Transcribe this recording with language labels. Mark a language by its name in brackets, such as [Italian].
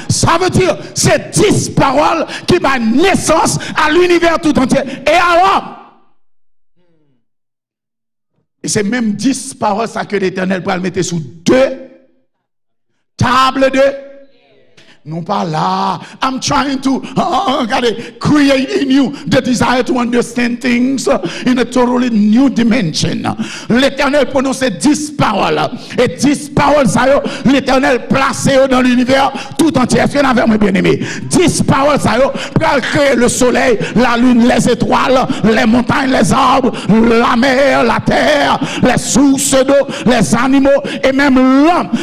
[French] Ça veut dire, c'est 10 paroles qui donnent naissance à l'univers tout entier et à l'homme. Et c'est même 10 paroles ça que l'Éternel pourrait mettre sous 2 tables de. Non pas là. [English] I'm trying to create in you the desire to understand things in a totally new dimension. [French] L'Éternel prononçait 10 paroles. Et 10 paroles, ça y est, l'Éternel plaçait dans l'univers tout entier. Est-ce qu'il y en avait, mes bien-aimés? 10 paroles, ça y est, pour créer le soleil, la lune, les étoiles, les montagnes, les arbres, la mer, la terre, les sources d'eau, les animaux et même l'homme.